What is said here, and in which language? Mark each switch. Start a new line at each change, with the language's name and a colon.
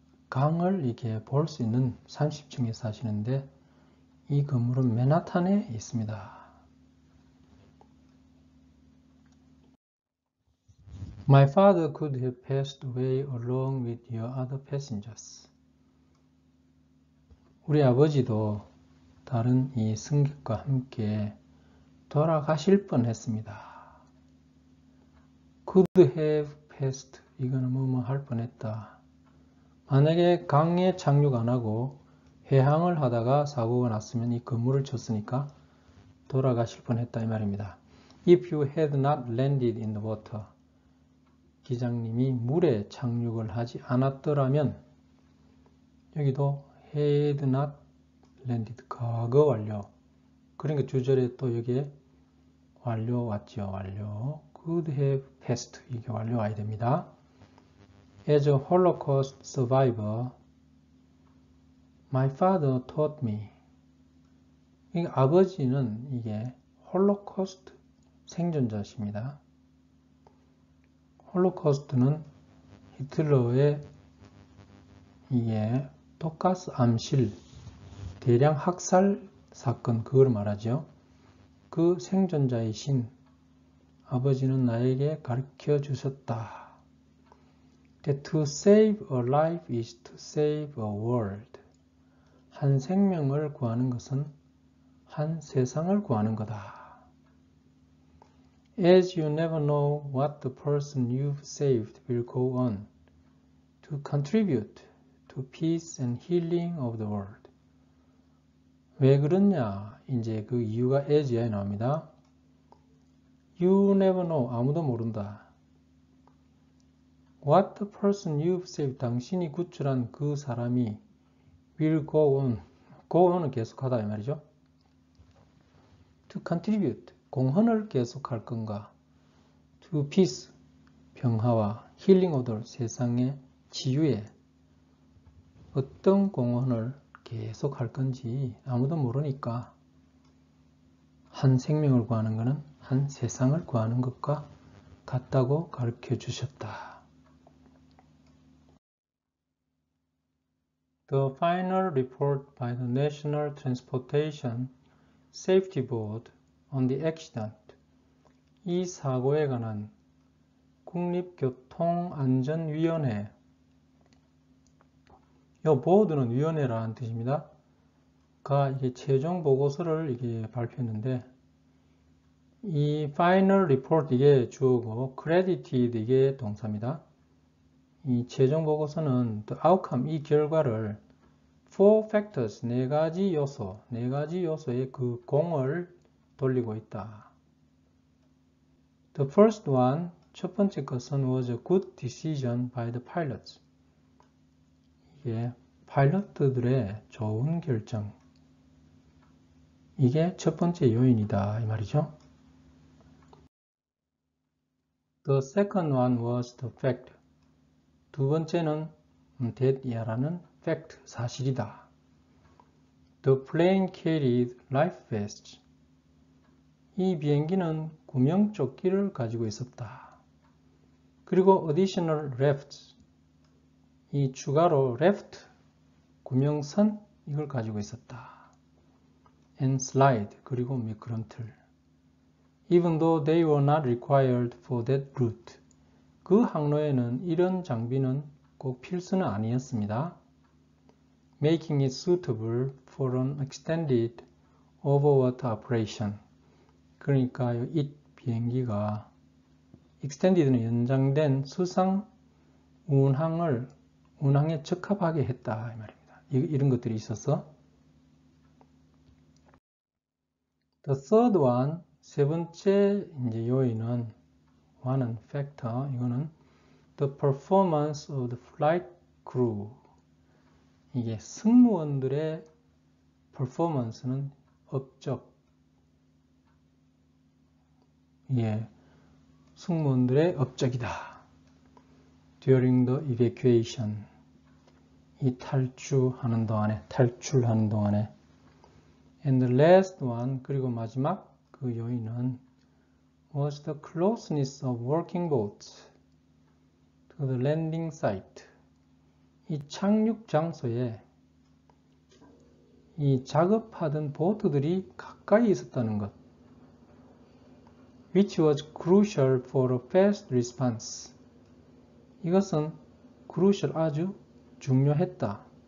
Korean: 강을 이렇게 볼수 있는 30층에 사시는데, 이 건물은 맨하탄에 있습니다.
English: 'My father could have passed away along with your other passengers.'
Korean: 우리 아버지도 다른 이 승객과 함께 돌아가실 뻔했습니다.
English: Could have passed.
Korean: 이거는 뭐뭐 할 뻔했다. 만약에 강에 착륙 안 하고 해항을 하다가 사고가 났으면 이 건물을 쳤으니까 돌아가실 뻔했다 이 말입니다.
English: If you had not landed in the water.
Korean: 기장님이 물에 착륙을 하지 않았더라면 여기도
English: had not landed
Korean: 과거 완료. 그러니까 주절에 또 여기에 완료 왔죠. 완료.
English: Could have passed.
Korean: 이게 완료 와야 됩니다.
English: As a Holocaust survivor, my father taught me.
Korean: 아버지는 이게 홀로코스트 생존자십니다. 홀로코스트는 히틀러의 이게 독가스 암실 대량 학살 사건 그걸 말하죠. 그 생존자이신 아버지는 나에게 가르쳐 주셨다.
English: That to save a life is to save a world.
Korean: 한 생명을 구하는 것은 한 세상을 구하는 거다.
English: As you never know what the person you've saved will go on to contribute to peace and healing of the world.
Korean: 왜 그러냐? 이제 그 이유가 as에 나옵니다.
English: You never know.
Korean: 아무도 모른다.
English: What the person you've saved,
Korean: 당신이 구출한 그 사람이
English: will go on. go on
Korean: 은 계속하다 이 말이죠.
English: to contribute,
Korean: 공헌을 계속할 건가?
English: to peace,
Korean: 평화와
English: healing others,
Korean: 세상의 치유에 어떤 공헌을 계속할 건지 아무도 모르니까 한 생명을 구하는 것은 한 세상을 구하는 것과 같다고 가르쳐 주셨다.
English: The final report by the National Transportation Safety Board on the accident.
Korean: 이 사고에 관한 국립교통안전위원회. 이 보드는 위원회라는 뜻입니다. 가 이게 최종 보고서를 이게 발표했는데 이
English: final report
Korean: 이게 주어고 credited 이게 동사입니다. 이 최종 보고서는
English: the outcome
Korean: 이 결과를
English: four factors
Korean: 네 가지 요소에 그 공을 돌리고 있다.
English: The first one
Korean: 첫 번째 것은
English: was a good decision by the pilots.
Korean: 이게 파일럿들의 좋은 결정. 이게 첫 번째 요인이다. 이 말이죠.
English: The second one was the fact.
Korean: 두 번째는
English: that야라는 fact,
Korean: 사실이다.
English: The plane carried life vests.
Korean: 이 비행기는 구명조끼를 가지고 있었다. 그리고
English: additional rafts.
Korean: 이 추가로 raft. 구명선 이걸 가지고 있었다.
English: And slide
Korean: 그리고 미끄럼틀.
English: Even though they were not required for that route.
Korean: 그 항로에는 이런 장비는 꼭 필수는 아니었습니다.
English: Making it suitable for an extended overwater operation.
Korean: 그러니까 이 비행기가 extended는 연장된 수상 운항에 적합하게 했다 이 말입니다. 이런 것들이 있었어.
English: The third one,
Korean: 세 번째 이제 요인은
English: one factor,
Korean: 이거는
English: the performance of the flight crew.
Korean: 이게 승무원들의 performance는 업적. 예, 승무원들의 업적이다.
English: During the evacuation.
Korean: 이 탈출하는 동안에, 탈출하는 동안에.
English: And the last one,
Korean: 그리고 마지막 그 요인은
English: was the closeness of working boats to the landing site.
Korean: 이 착륙 장소에 이 작업하던 보트들이 가까이 있었다는 것.
English: Which was crucial for a fast response.
Korean: 이것은 crucial 아주 중요했다.